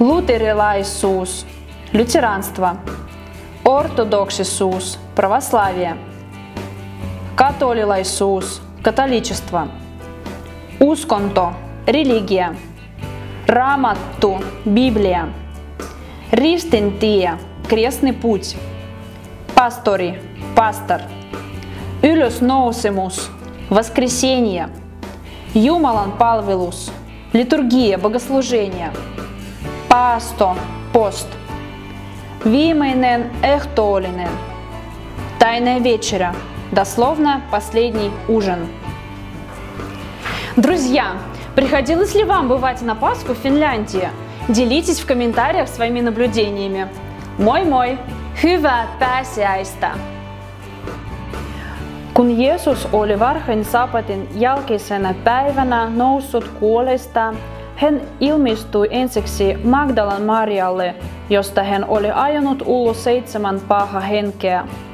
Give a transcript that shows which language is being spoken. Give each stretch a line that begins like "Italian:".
Russian: Лутерилайсус – лютеранство. Ортодоксисус – православие. Католилайсус – католичество. Усконто – религия. Раматту – Библия. Ристинтия – крестный путь. Пастори – пастор.
Finnish: Ylös nousemus – воскресение. Jumalan palvelus
Russian: – литургия, богослужение. Пасто – пост.
Finnish: Viimeinen ehtoollinen
Russian: – тайная вечеря, дословно последний ужин. Друзья, приходилось ли вам бывать на Пасху в Финляндии? Делитесь в комментариях своими наблюдениями.
Finnish: Мой-мой! Hyvää pääsiäistä! Kun Jeesus oli varhain sapatin jälkeisenä päivänä noussut kuolesta, hän ilmestyi ensiksi Magdalan Marialle, josta hän oli ajanut ulos 7 paha henkeä.